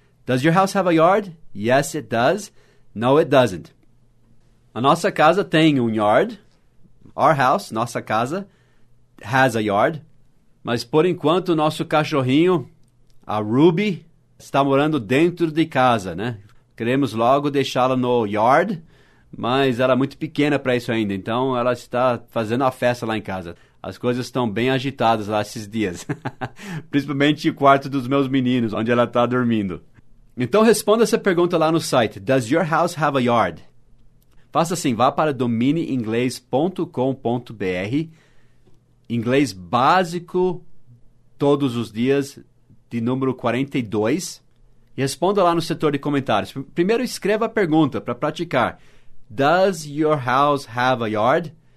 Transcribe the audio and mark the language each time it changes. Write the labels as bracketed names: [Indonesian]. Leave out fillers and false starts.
[English] Does your house have a yard? Yes, it does. No, it doesn't. [Portuguese] A nossa casa tem yard. [English] Our house, [Portuguese] nossa casa, [English] has a yard. [Portuguese] Mas por enquanto, nosso cachorrinho, a Ruby, está morando dentro de casa, né? Queremos logo deixá-la no yard, mas ela é muito pequena para isso ainda. Então, ela está fazendo a festa lá em casa. As coisas estão bem agitadas lá esses dias. Principalmente o quarto dos meus meninos, onde ela está dormindo. Então, responda essa pergunta lá no site. [English] Does your house have a yard? [Portuguese] Faça assim, vá para domineinglês.com.br, inglês básico todos os dias, de número 42, e responda lá no setor de comentários. Primeiro escreva a pergunta para praticar. [English] Does your house have a yard?